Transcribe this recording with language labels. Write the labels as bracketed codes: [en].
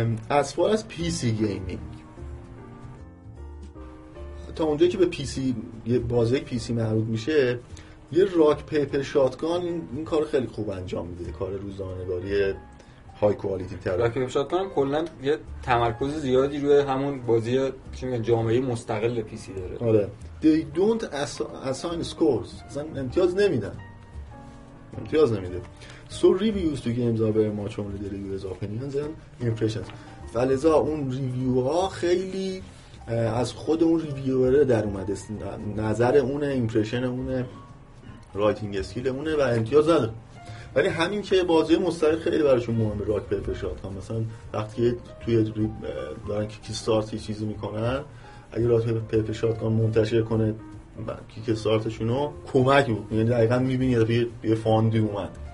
[fa] از فار از پی سی گیمینگ، تا اونجایی که به پی سی یه بازی پی سی معروض میشه، یه راک پیپر شاتگان این کار خیلی خوب انجام میده، کار روزنامه‌نگاری های کوالیتی تر. راکی شاتون کلا یه تمرکز زیادی روی همون بازی چی میگن جامعه مستقل پی سی داره. آره. [en] They don't assign scores. [fa] مثلا امتیاز نمیدن. امتیاز نمیده. [en] So reviews to games are very much on the reviews opinions and impressions. [fa] فلزا اون ریویو ها خیلی از خود اون ریویوره در اومده، نظر اونه، ایمپرشن اونه، رایتینگ اسکیل اونه و امتیاز نداره. ولی همین که بازی مستقل خیلی براشون مهمه، راک پیپر شات ها مثلا وقتی توی دارن کیک استارت یه چیزی میکنن، اگه راک پیپر شات ها منتشر کنه کیک استارتشون رو کمک بود، یعنی دقیقا میبینی یه فاندی اومد.